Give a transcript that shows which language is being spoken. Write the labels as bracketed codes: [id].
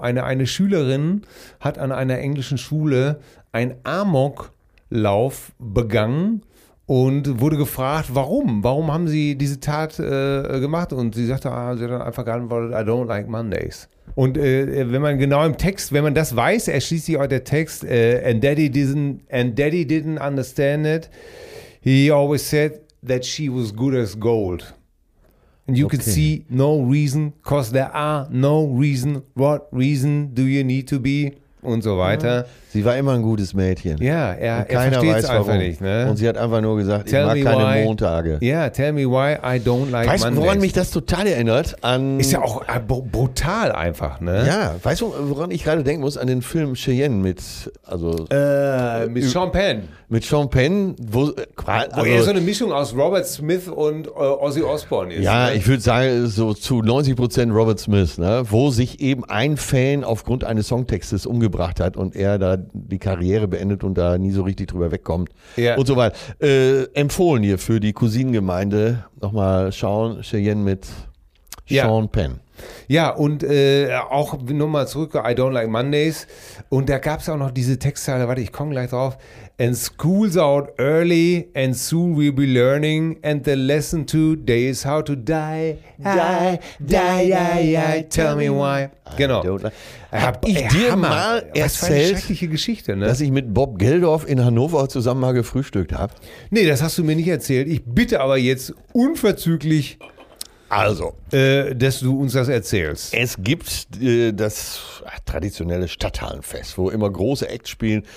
[de] Eine Schülerin hat an einer englischen Schule einen Amoklauf begangen und wurde gefragt, warum? Warum haben sie diese Tat gemacht? Und sie sagte, sie hat dann einfach geantwortet, [en] I don't like Mondays. [de] Und wenn man genau im Text, wenn man das weiß, erschließt sich auch der Text, [en] and daddy didn't understand it. He always said that she was good as gold. And you can see no reason, because there are no reason, what reason do you need to be? [de] Und so weiter. Sie war immer ein gutes Mädchen. Ja, er versteht es einfach nicht. Ne? Und sie hat einfach nur gesagt, ich mag keine Montage. [en] Ja, yeah, tell me why I don't like Mondays. [de] Weißt du, woran mich das total erinnert? Ist ja auch brutal einfach, ne? Ja, weißt du, woran ich gerade denken muss? An den Film Cheyenne mit Sean Penn. Mit Sean Penn. Wo er so eine Mischung aus Robert Smith und Ozzy Osbourne ist. Ja, ne? Ich würde sagen, so zu 90% Robert Smith, ne? Wo sich eben ein Fan aufgrund eines Songtextes umgebracht hat und er da die Karriere beendet und da nie so richtig drüber wegkommt. Ja. Und so weiter. Empfohlen hier für die Cousinengemeinde nochmal schauen, Cheyenne mit Sean Penn. Ja, und auch nochmal zurück, I don't like Mondays. Und da gab es auch noch diese Textzeile, warte, ich komme gleich drauf. [en] And school's out early and soon we'll be learning and the lesson today is how to die, tell me why. [de] Genau. Hab ich dir mal erzählt, eine schreckliche Geschichte, ne? Dass ich mit Bob Geldof in Hannover zusammen mal gefrühstückt habe? Nee, das hast du mir nicht erzählt. Ich bitte aber jetzt unverzüglich, dass du uns das erzählst. Es gibt das traditionelle Stadthallenfest, wo immer große Acts spielen.